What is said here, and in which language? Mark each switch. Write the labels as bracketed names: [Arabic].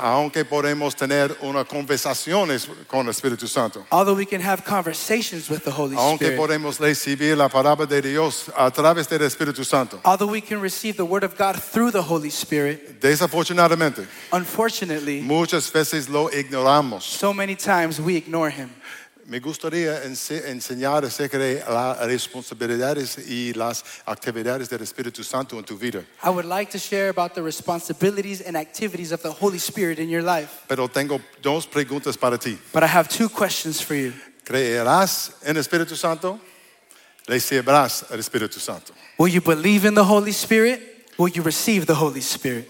[Spanish] Aunque podemos tener una conversaciones con el Espíritu Santo. [English] Although we can have conversations with the Holy Spirit. [Spanish] Aunque podemos recibir la palabra de Dios a través del Espíritu Santo. [English] Although we can receive the word of God through the Holy Spirit. [Spanish] Desafortunadamente. [English] Unfortunately. [Spanish] Muchas veces lo ignoramos. [English] So many times we ignore him. [Spanish] Me gustaría enseñar acerca de las responsabilidades y las actividades del Espíritu Santo en tu vida. [English] I would like to share about the responsibilities and activities of the Holy Spirit in your life. [Spanish] Pero tengo dos preguntas para ti. [English] But I have two questions for you. [Spanish] ¿Creerás en el Espíritu Santo? ¿Recibirás el Espíritu Santo? [English] Will you believe in the Holy Spirit? Will you receive the Holy Spirit?